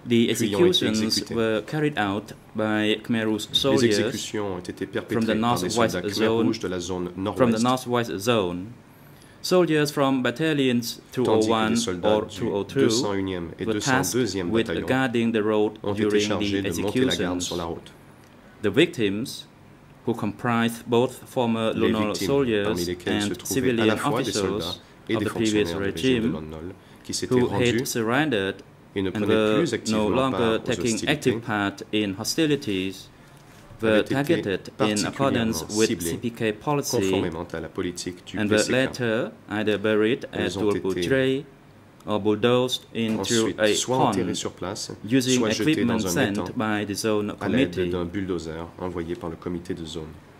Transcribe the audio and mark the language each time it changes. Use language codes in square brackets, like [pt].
[en] the executions were carried out by Khmer Rouge soldiers [fr] les exécutions ont été perpétrées par des soldats Khmer Rouge de la zone nord-ouest. [en] From the northwest zone. Soldiers from battalions 201 or 202 were tasked with guarding the road during the executions. The victims, who comprised both former Lunol soldiers and civilian officers of the previous regime, who had surrendered and were no longer taking active part in hostilities, were targeted in accordance with CPK policy and were later either buried at Tulpo Chrei or bulldozed into a pond [fr] sur place, [en] using equipment sent by the zone committee. [fr] D'un bulldozer envoyé par le comité de zone.